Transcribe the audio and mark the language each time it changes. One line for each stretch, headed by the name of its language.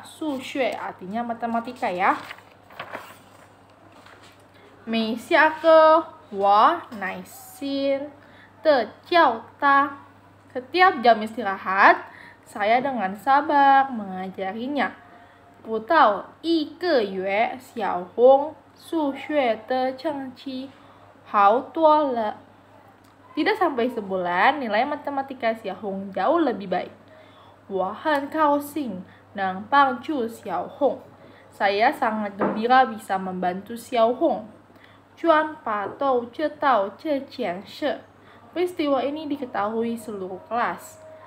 Indonesian: Su xue artinya matematika ya.
Chinese: 每下课，我耐心地教他。
Indonesian: Setiap jam istirahat, saya dengan sabar mengajarinya.
Chinese: 不到一个月，小红数学的成绩好多了。
Indonesian: Tidak sampai sebulan, nilai matematika Xiao Hong jauh lebih baik.
Chinese: 我很高兴能帮助小红。
Indonesian: Saya sangat gembira bisa membantu Xiao Hong. Chuan Pa Tou Che Tau Che Qian She. Peristiwa ini diketahui seluruh kelas.